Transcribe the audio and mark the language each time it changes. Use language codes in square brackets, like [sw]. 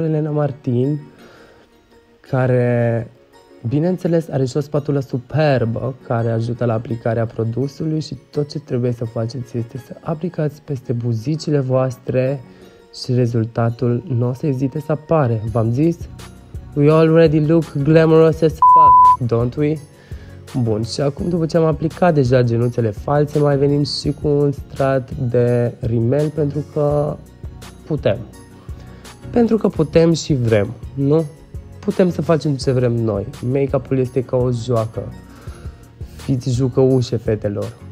[ro] Elena Martin, care, bineînțeles, are și o spatulă superbă care ajută la aplicarea produsului și tot ce trebuie să faceți este să aplicați peste buzicile voastre și rezultatul nu o să ezite să apare. V-am zis? [en] We already look glamorous as fuck, don't we? [ro] Bun, și acum după ce am aplicat deja genuțele false, mai venim și cu un strat de rimel pentru că putem. Pentru că putem și vrem, nu? Putem să facem ce vrem noi. Make-up-ul este ca o joacă. Fiți jucăușe, fetelor.